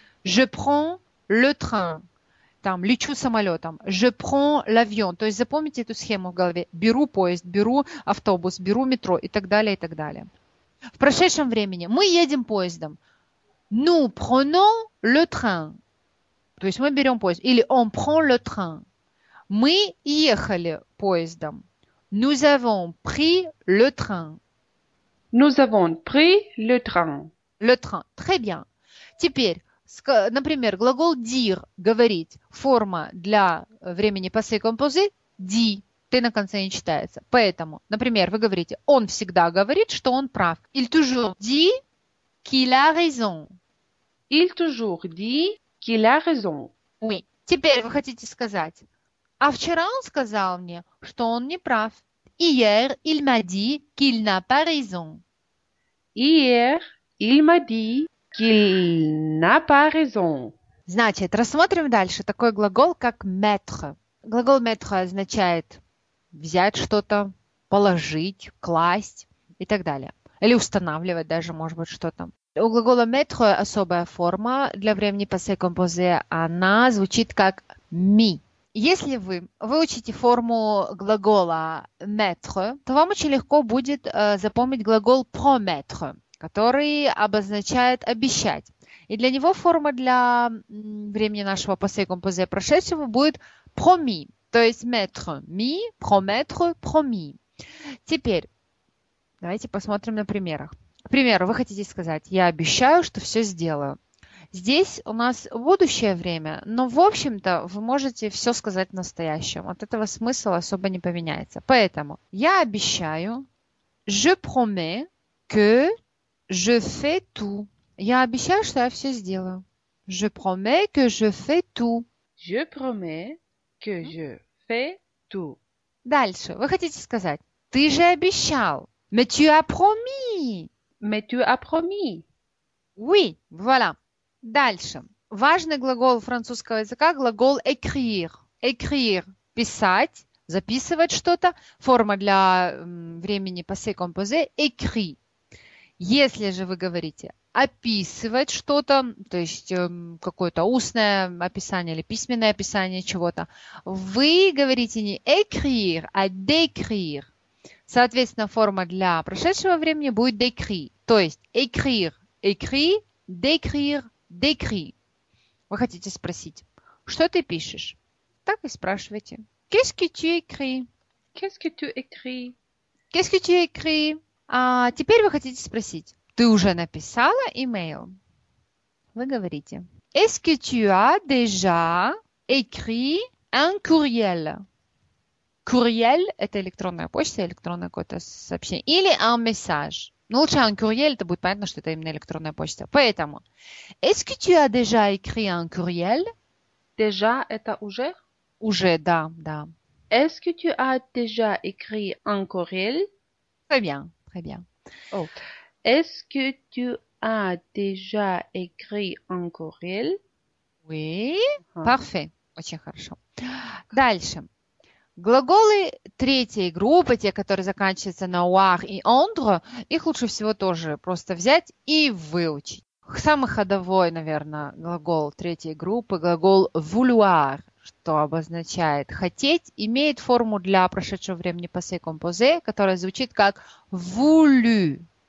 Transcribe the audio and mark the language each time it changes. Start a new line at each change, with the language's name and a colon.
French: Je prends le train.
Russian: Там, лечу самолетом,
French: je prends l'avion.
Russian: То есть запомните эту схему в голове. Беру поезд, беру автобус, беру метро и так далее, и так далее. В прошедшем времени мы едем поездом. Nous prenons le train. То есть мы берем поезд. Или
French: on prend le train.
Russian: Мы ехали поездом.
French: Nous avons pris le train. Nous avons pris le train. Le train. Très bien.
Russian: Теперь, например, глагол dire, говорить, форма для времени passé composé, di, ты на конце не читается. Поэтому, например, вы говорите, он всегда говорит, что он прав.
French: Il toujours dit qu'il a raison. Il toujours dit qu'il a raison. Oui.
Russian: Теперь вы хотите сказать, а вчера он сказал мне, что он не прав.
French: Hier, il m'a dit qu'il n'a pas raison. Hier, il m'a dit qu'il n'a pas raison.
Russian: Значит, рассмотрим дальше такой глагол, как mettre. Глагол mettre означает взять что-то, положить, класть и так далее. Или устанавливать даже, может быть, что-то. У глагола mettre особая форма для времени passé composé. Она звучит как mi. Если вы выучите форму глагола mettre, то вам очень легко будет запомнить глагол promettre, который обозначает обещать. И для него форма для времени нашего passé composé прошедшего будет promis, то есть mettre, mi, promettre, promis. Теперь давайте посмотрим на примерах. К примеру, вы хотите сказать, я обещаю, что все сделаю. Здесь у нас будущее время, но, в общем-то, вы можете все сказать в настоящем. От этого смысл особо не поменяется. Поэтому я обещаю
French: Je promets que je fais tout.
Russian: Я обещаю, что я все сделаю.
French: Je promets que je fais tout. Je promets que je fais tout.
Russian: Дальше. Вы хотите сказать, ты же обещал.
French: Mais tu as promis. Mais tu as promis. Oui, voilà.
Russian: Дальше. Важный глагол французского языка – глагол écrire. Écrire – писать, записывать что-то. Форма для времени passé composé – écrit. Если же вы говорите описывать что-то, то есть какое-то устное описание или письменное описание чего-то, вы говорите не écrire, а décrire. Соответственно, форма для прошедшего времени будет décrit. То есть écrire – écrit, décrire – décrit. Вы хотите спросить, что ты пишешь? Так и спрашивайте.
French: Qu'est-ce que tu écris?
Russian: А теперь вы хотите спросить, ты уже написала email? Вы говорите,
French: est-ce que tu as déjà écrit un courriel?
Russian: Courriel – это электронная почта, электронное какое-то сообщение. Или
French: un message.
Russian: Но лучше un courriel, это будет понятно, что это именно электронная почта. Поэтому,
French: est-ce que tu as déjà écrit un courriel?
Russian: Déjà – это уже? Уже, да, да.
French: Est-ce que tu as déjà écrit un courriel? Très bien. Très bien. Oh. Est-ce que tu as déjà écrit un courriel? Oui. Parfait.
Russian: Очень хорошо. Дальше. Глаголы третьей группы, те, которые заканчиваются на «oir» и «ondre», их лучше всего тоже просто взять и выучить. Самый ходовой, наверное, глагол третьей группы – глагол «vouloir», что обозначает «хотеть», имеет форму для прошедшего времени «passé composé», которая звучит как «voulu».